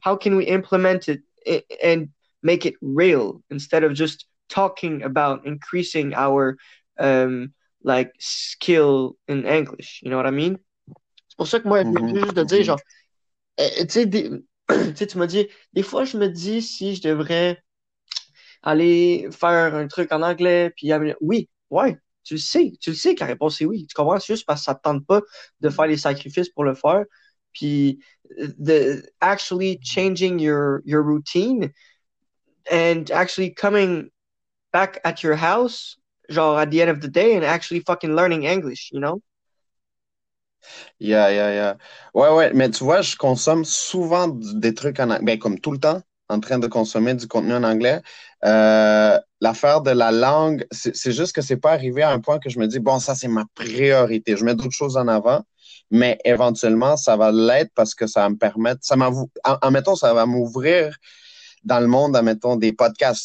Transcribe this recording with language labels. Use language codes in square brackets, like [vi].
[en] How can we implement it and make it real instead of just talking about increasing our like skill in English? You know what I mean? [fr] C'est pour ça que moi, je veux juste te dire, genre, tu m'as dit, des fois, je me dis si je devrais aller faire un truc en anglais, puis oui, ouais, tu le sais que la réponse est oui. Tu comprends? C'est juste parce que ça ne te tente pas de faire les sacrifices pour le faire. [en] Puis the actually changing your routine and actually coming back at your house, genre at the end of the day, and actually fucking learning English, you know? [fr] Ouais, mais tu vois, je consomme souvent des trucs en anglais, ben, comme tout le temps, en train de consommer du contenu en anglais. L'affaire de la langue, c'est juste que c'est pas arrivé à un point que je me dis, bon, ça, c'est ma priorité. Je mets d'autres choses en avant, mais éventuellement, ça va l'être parce que ça va me permettre, ça m'a, en mettons, ça va m'ouvrir dans le monde, en mettons, des podcasts.